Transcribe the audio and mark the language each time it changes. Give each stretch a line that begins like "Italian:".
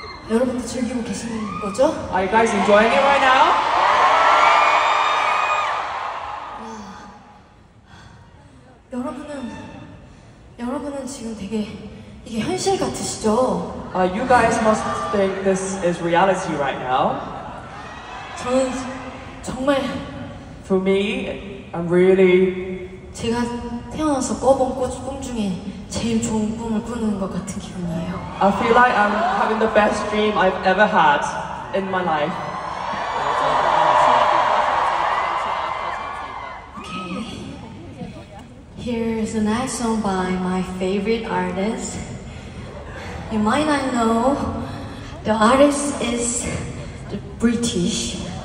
Korean: 여러분도 즐기고 계신 거죠?
English: Are you guys enjoying it right now?
Korean: 여러분은 지금 되게 이게 현실 같으시죠?
English: You guys must think this is reality right now.
Korean: 저는 정말
English: For me, I'm really
Korean: 제가 태어나서 꿔본 꿈 중에 제일 좋은 꿈을 꾸는 것 같은 기분이에요.
English: I feel like I'm having the best dream I've ever had in my life. Here's a nice song by my favorite artist. You might not know, the artist is the British.